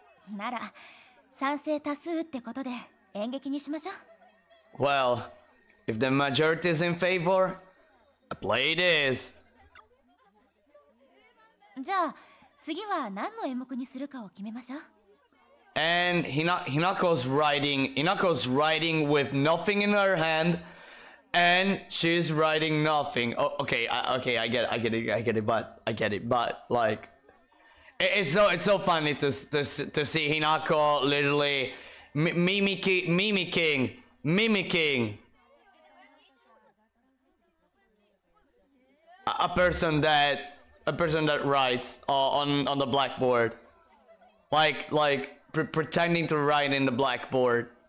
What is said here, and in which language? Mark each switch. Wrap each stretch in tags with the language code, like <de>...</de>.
<ja>Nara, 賛成多数ってことで演劇にしましょう?</ja> <en>Well, if the majority is in favor, I play this.</en> <ja>じゃあ、次は何の演目にするかを決めましょう?</ja> <en>And Hinako's riding with nothing in her hand. And she's writing nothing. Oh, okay. I get it, but like, it's so funny to see Hinako literally mimicking a person that writes on the blackboard, like pretending to write in the blackboard.</en>